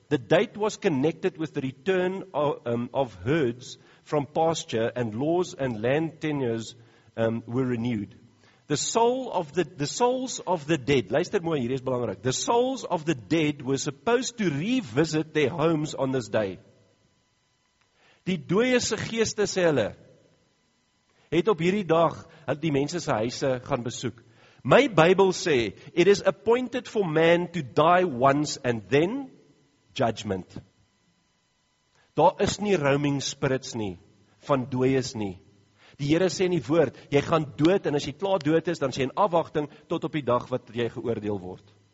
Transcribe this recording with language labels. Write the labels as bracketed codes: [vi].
[en] The date was connected with the return of herds from pasture, and laws and land tenures were renewed. The souls of the dead, [af] luister mooi, hierdie is belangrik. [en] The souls of the dead were supposed to revisit their homes on this day. [af] Die dooie se geeste, sê hulle, het op hierdie dag die mense se huise gaan besoek. [en] My Bible sê, it is appointed for man to die once and then judgment. [af] Daar is nie roaming spirits nie, van dooies nie. Die Here sê in die woord, jy gaan dood en as jy klaar dood is, dan sê jy in afwagting tot op die dag wat jy geoordeel word.